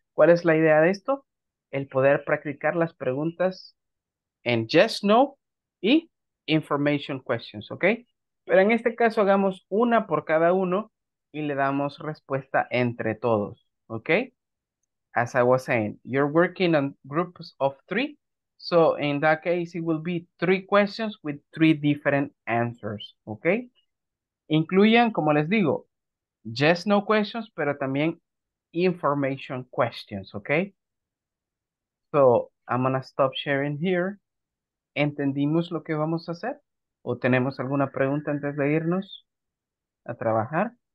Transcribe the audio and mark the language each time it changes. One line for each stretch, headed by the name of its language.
Spanish: ¿Cuál es la idea de esto? El poder practicar las preguntas en yes, no y information questions, ¿ok? Pero en este caso hagamos una por cada uno y le damos respuesta entre todos, ¿ok?
English: As I was saying, you're working on groups of three. So in that case, it will be three questions with three different answers, ¿ok?
Spanish: Incluyan, como les digo, yes, no questions, pero también information questions, ¿ok?
English: So I'm going to stop sharing here.
Spanish: ¿Entendimos lo que vamos a hacer? ¿O tenemos alguna pregunta antes de irnos a trabajar?